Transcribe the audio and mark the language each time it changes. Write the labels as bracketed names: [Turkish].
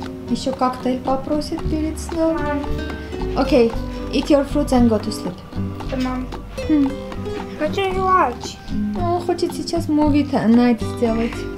[Russian] Еще как-то их попросит перед сном. [English] Okay, eat your fruits and go to sleep. Mom. [Russian] Хочу лунч. Он хочет сейчас [English] муви найт [Russian] сделать.